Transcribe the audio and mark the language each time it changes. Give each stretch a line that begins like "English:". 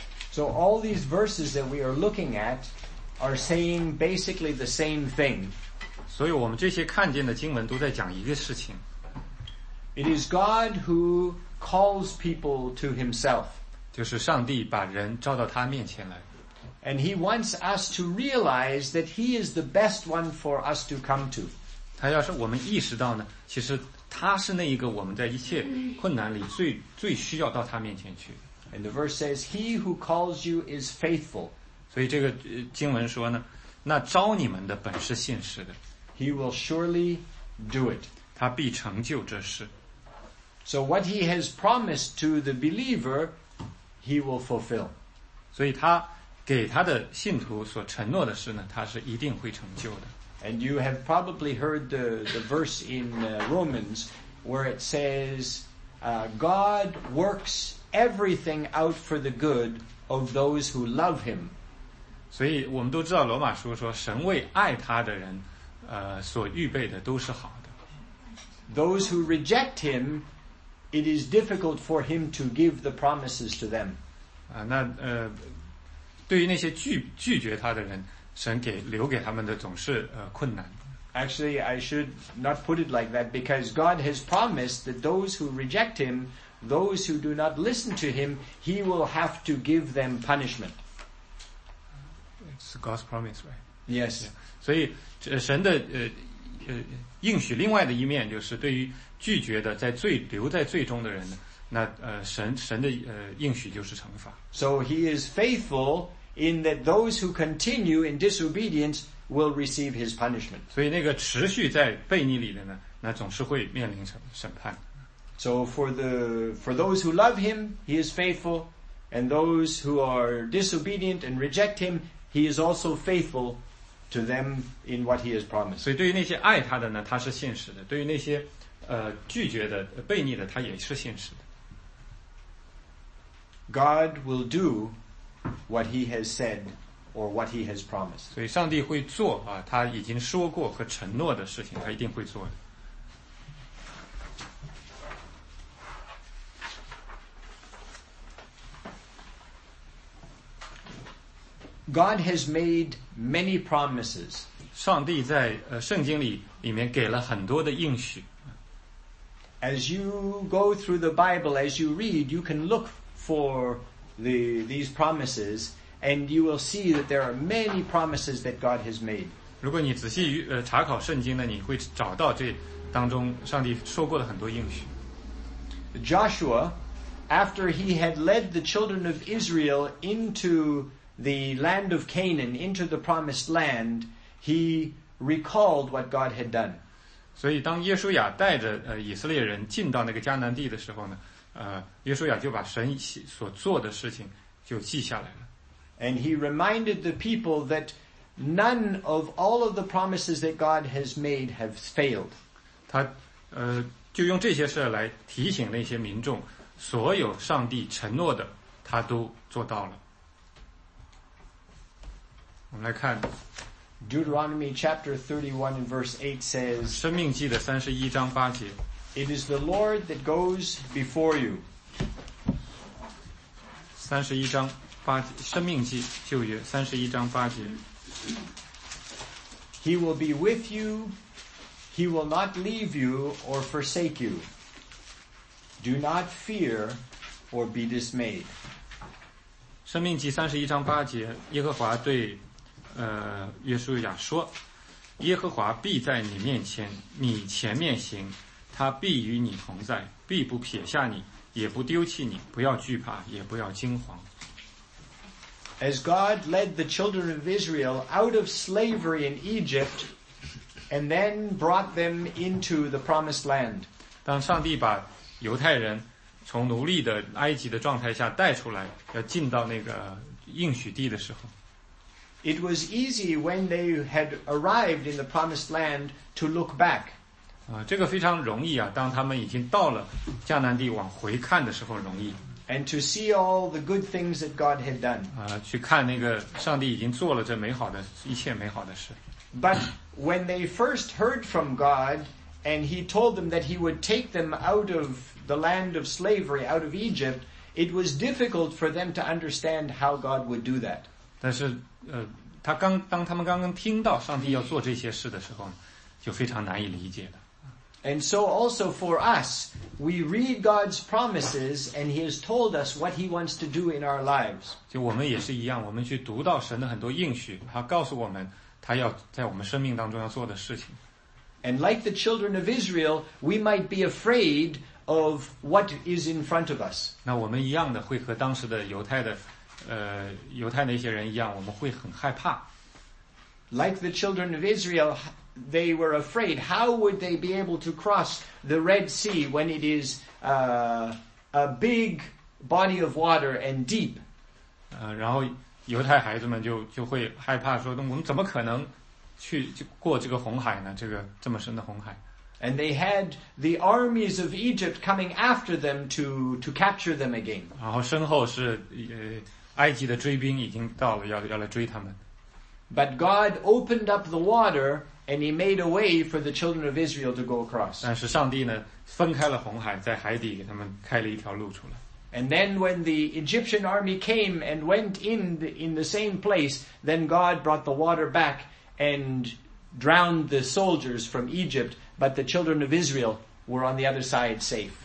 English: So all these verses that we are looking at are saying basically the same thing.
Chinese: 所以我们这些看见的经文都在讲一个事情。
English: It is God who calls people to himself.
Chinese: 就是上帝把人召到他面前来。
English: And he wants us to realize that he is the best one for us to come to.
Chinese: 他要是我们意识到呢，其实他是那一个我们在一切困难里最最需要到他面前去。
English: And the verse says, "He who calls you is faithful."
Chinese: 所以这个经文说呢，那招你们的本是信实的。
English: He will surely do it.
Chinese: 他必成就这事。
English: So what he has promised to the believer, he will fulfill.
Chinese: 所以他给他的信徒所承诺的事呢，他是一定会成就的。
English: And you have probably heard the verse in Romans where it says, God works everything out for the good of those who love him.
Chinese: 所以我们都知道罗马书说神为爱他的人所预备的都是好的。
English: Those who reject him, it is difficult for him to give the promises to them.
Chinese: 对于那些拒绝他的人，神给留给他们的总是困难。
English: Actually, I should not put it like that because God has promised that those who reject him, those who do not listen to him, he will have to give them punishment. It's God's promise, right? Yes. Yeah.
Chinese: 所以神的应许另外的一面就是对于拒绝的在罪留在罪中的人呢，那神的应许就是惩罚。
English: So he is faithful in that those who continue in disobedience will receive his punishment.
Chinese: 所以那个持续在悖逆里的呢，那总是会面临审判。
English: So for those who love him, he is faithful, and those who are disobedient and reject him, he is also faithful to them in what he has promised.
Chinese: 所以对于那些爱他的呢，他是信实的；对于那些拒绝的悖逆的，他也是信实的。
English: God will do what he has said or what he has promised.
Chinese: 所以上帝会做啊，他已经说过和承诺的事情，他一定会做的。
English: God has made many promises.
Chinese: 上帝在圣经里面给了很多的应许。
English: As you go through the Bible, as you read, you can look for these promises, and you will see that there are many promises that God has made.
Chinese: 如果你仔细查考圣经呢，你会找到这当中上帝说过的很多应许。
English: Joshua, after he had led the children of Israel into the land of Canaan, into the promised land, he recalled what God had done.
Chinese: 所以当耶稣亚带着以色列人进到那个迦南地的时候呢，耶稣亚就把神所做的事情就记下来了。
English: And he reminded the people that none of all of the promises that God has made have failed.
Chinese: 他就用这些事来提醒那些民众，所有上帝承诺的他都做到了。我们来看
English: Deuteronomy chapter 31 and verse 8 says,
Chinese: 生命记的31章8节。
English: It is the Lord that goes before you.
Chinese: 31章八节，生命记旧约31章八节。
English: He will be with you, he will not leave you or forsake you. Do not fear or be dismayed.
Chinese: 生命记31章八节，耶和华对约书亚说，耶和华必在你面前，你前面行，他必与你同在，必不撇下你，也不丢弃你，不要惧怕，也不要惊慌。
English: As God led the children of Israel out of slavery in Egypt and then brought them into the promised land.
Chinese: 当上帝把犹太人从奴隶的埃及的状态下带出来，要进到那个应许地的时候。
English: It was easy when they had arrived in the promised land to look back.
Chinese: 这个非常容易啊，当他们已经到了迦南地往回看的时候容易。
English: And to see all the good things that God had done.
Chinese: 去看那个上帝已经做了这美好的一切美好的事。
English: But when they first heard from God, and he told them that he would take them out of the land of slavery, out of Egypt, it was difficult for them to understand how God would do that.
Chinese: 但是当他们刚刚听到上帝要做这些事的时候，就非常难以理解的。
English: And so also for us, we read God's promises and he has told us what he wants to do in our lives.
Chinese: 就我们也是一样，我们去读到神的很多应许，他告诉我们他要在我们生命当中要做的事情。
English: And like the children of Israel, we might be afraid of what is in front of us.
Chinese: 那我们一样的会和当时的犹太的犹太那些人一样，我们会很害怕。
English: Like the children of Israel, they were afraid. How would they be able to cross the Red Sea when it is a big body of water and deep?
Chinese: 然后犹太孩子们就会害怕说，我们怎么可能去过这个红海呢？这个这么深的红海。
English: And they had the armies of Egypt coming after them to capture them again.
Chinese: 然后身后是埃及的追兵已经到了，要来追他们。
English: But God opened up the water and he made a way for the children of Israel to go across.
Chinese: 但是上帝呢，分开了红海，在海底给他们开了一条路出来。
English: And then when the Egyptian army came and went in the same place, then God brought the water back and drowned the soldiers from Egypt, but the children of Israel were on the other side safe.